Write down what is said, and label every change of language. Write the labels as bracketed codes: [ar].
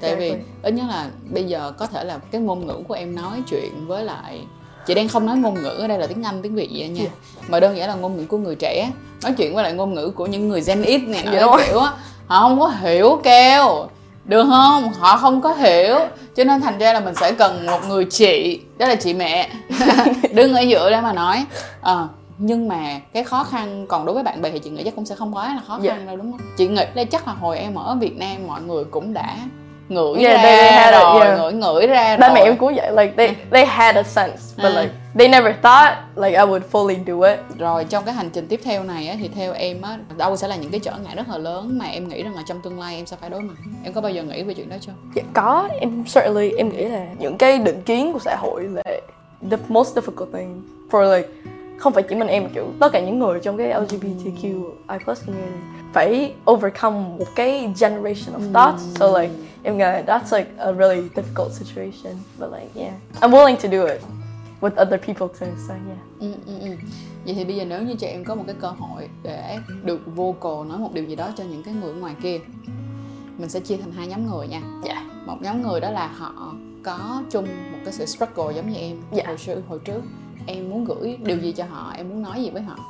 [vi] Tại vì ít nhất là bây giờ có thể là cái ngôn ngữ của em nói chuyện với lại, chị đang không nói ngôn ngữ ở đây là tiếng Anh, tiếng Việt gì đó nha, mà đơn giản là ngôn ngữ của người trẻ nói chuyện với lại ngôn ngữ của những người Gen X này, nói kiểu á, họ không có hiểu kêu được không, họ không có hiểu, cho nên thành ra là mình sẽ cần một người chị, đó là chị mẹ đứng ở giữa đó mà nói. Nhưng mà cái khó khăn còn đối với bạn bè thì chị nghĩ chắc cũng sẽ không quá là khó khăn đâu, đúng không? Chị nghĩ đây chắc là hồi em ở Việt Nam mọi người cũng đã ngửi ra ngửi ra ba mẹ em cũng vậy, [en] like they had a sense but like they never thought like I would fully do it. [vi] Rồi trong cái hành trình tiếp theo này á, thì theo em á, đâu sẽ là những cái trở ngại rất là lớn mà em nghĩ rằng là trong tương lai em sẽ phải đối mặt? Em có bao giờ nghĩ về chuyện đó chưa? Dạ, có, em [en] certainly [vi] em nghĩ là những cái định kiến của xã hội là [en] the most difficult thing for like [vi] không phải chỉ mình em, kiểu tất cả những người trong cái LGBTQI+ [en] community [vi] phải [en] overcome [vi] một cái [en] generation of thoughts. So like [vi] em nghĩ [en] that's like a really difficult situation, but like yeah, I'm willing to do it with other people too, so yeah. [vi] Vậy thì bây giờ nếu như cho em có một cái cơ hội để được vocal nói một điều gì đó cho những cái người ngoài kia, mình sẽ chia thành hai nhóm người nha. [en] Yeah. [vi] Một nhóm người đó là họ có chung một cái sự struggle giống như em hồi trước. Em muốn gửi điều gì cho họ, em muốn nói gì với họ?